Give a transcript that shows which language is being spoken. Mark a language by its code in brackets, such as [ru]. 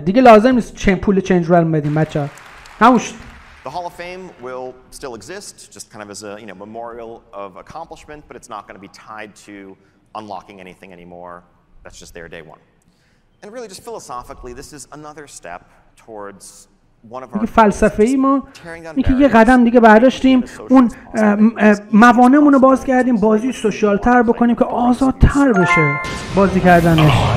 [fa] دیگه لازم نیست پول change realm بدیم بچه. همونش [en] The Hall of Fame will still exist, just kind of as a, you know, memorial of accomplishment, but it's not going to be tied to unlocking anything anymore. That's just there day one. And really just philosophically, this is another step towards one of our [fa] فلسفه‌ای ما اینکه یه قدم دیگه برداشتیم اون موانعمون رو باز کردیم بازی سوشیال تر بکنیم که آزادتر بشه بازی کردنش.